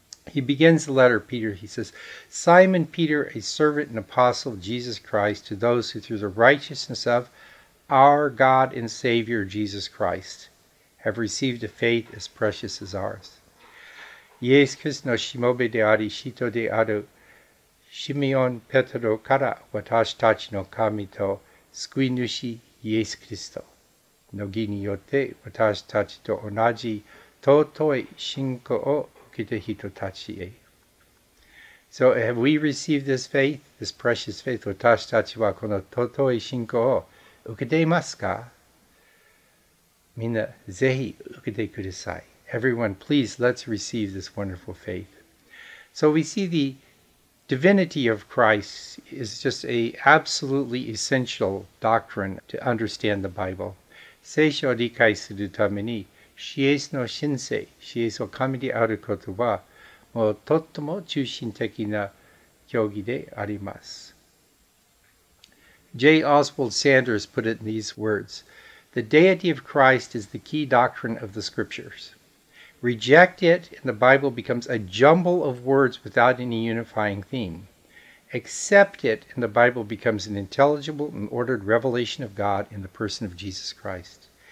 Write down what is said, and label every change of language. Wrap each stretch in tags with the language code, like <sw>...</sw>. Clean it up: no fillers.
<en>He begins the letter, Peter, he says, Simon Peter, a servant and apostle of Jesus Christ, to those who through the righteousness of our God and Savior Jesus Christ,have received a faith as precious as ours.</en> <ja>イエス・キリストのしもべであり、使徒であるシメオン・ペトロから私たちの神と救い主イエス・キリストの義によって私たちと同じ尊い信仰を受けた人たちへ。</ja> <en>So have we received this faith, this precious faith?</en> <ja>私たちはこの尊い信仰を受けていますか? みんなぜひ受けてください。</ja> <en>Everyone, please, let's receive this wonderful faith. So we see the divinity of Christ is just an absolutely essential doctrine to understand the Bible.</en> <ja>聖書を理解するために、イエスの神性、イエスを神であることは、もうとっても中心的な教義であります。</ja> <en>J. Oswald Sanders put it in these words,The deity of Christ is the key doctrine of the scriptures. Reject it, and the Bible becomes a jumble of words without any unifying theme. Accept it, and the Bible becomes an intelligible and ordered revelation of God in the person of Jesus Christ.</en>